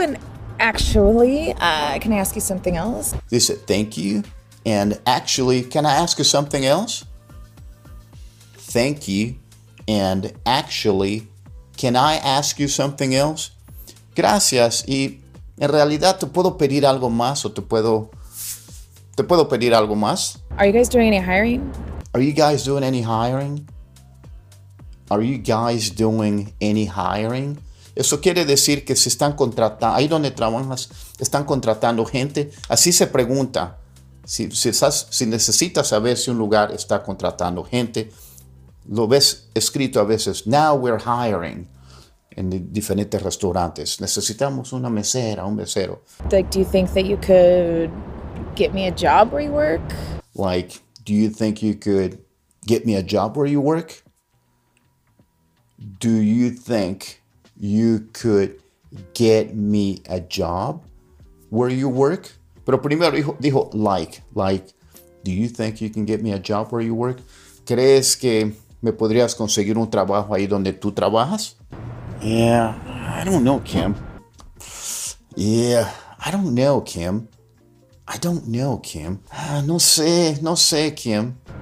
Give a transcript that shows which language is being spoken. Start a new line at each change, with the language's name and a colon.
English: And actually, can I ask you something else?
Spanish: Dice,
English: thank you. And actually, can I ask you something else? Thank you. And actually, can I ask you something else?
Spanish: Gracias. Y en realidad, ¿te puedo pedir algo más o te puedo pedir algo más?
English: Are you guys doing any hiring? Are you guys doing any hiring? Are you guys doing any hiring?
Spanish: Eso quiere decir que si están contratando, ahí donde trabajas, están contratando gente. Así se pregunta. Si necesitas saber si un lugar está contratando gente, lo ves escrito a veces,
English: now we're hiring,
Spanish: en diferentes restaurantes. Necesitamos una mesera, un mesero.
English: Like, do you think that you could get me a job where you work? Like, do you think you could get me a job where you work? Do you think you could get me a job where you work?
Spanish: Pero primero dijo
English: like, do you think you can get me a job where you work?
Spanish: ¿Crees que me podrías conseguir un trabajo ahí donde tú trabajas?
English: Yeah, I don't know, Kim.
Spanish: No sé, Kim.